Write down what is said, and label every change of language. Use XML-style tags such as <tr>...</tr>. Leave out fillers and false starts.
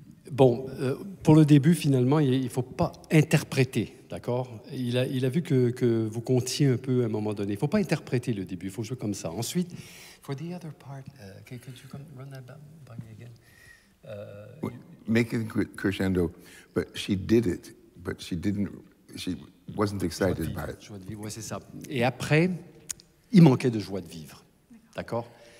<fr>Bon, pour le début, finalement, il ne faut pas interpréter, d'accord? Il a vu que vous comptiez un peu à un moment donné. Il ne faut pas interpréter le début, il faut jouer comme ça. Ensuite,</fr> <en>for the other part, could you come run that by me again? Make a crescendo, but she did it, but she didn't, she wasn't excited</en> <fr>joie de vivre,</fr> <en>by it.</en> <fr>Joie de vivre, ouais, c'est ça. Et après, il manquait de joie de vivre, d'accord?</fr>